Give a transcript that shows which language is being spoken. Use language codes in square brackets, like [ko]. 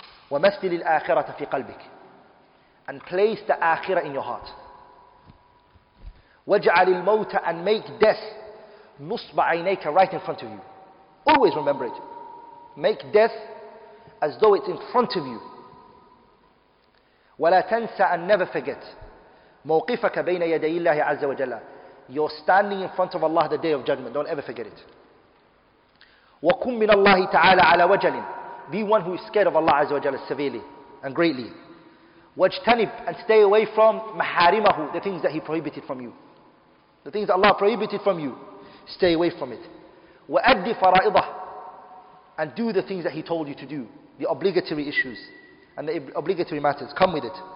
[ar] وَمَثِّلِ الْآخِرَةَ فِي قَلْبِكَ [en] And place the akhirah in your heart. [ar] وَجْعَلِ الْمَوْتَ [en] And make death [ar] نُصْبَ عَيْنَيْكَ [en] Right in front of you. Always remember it. Make death as though it's in front of you. [ar] وَلَا تَنْسَ [en] And never forget. [ar] موقفك بين يدي الله عز وجل. [en] You're standing in front of Allah the day of judgment. Don't ever forget it. [ar] وكن من الله تعالى على وجل. [en] Be one who is scared of Allah عز وجل severely and greatly. واجتنب, and stay away from محارمه, the things that He prohibited from you. The things that Allah prohibited from you, stay away from it. [ar] وأدي فرائضه, [en] and do the things that He told you to do, the obligatory issues and the obligatory matters. Come with it.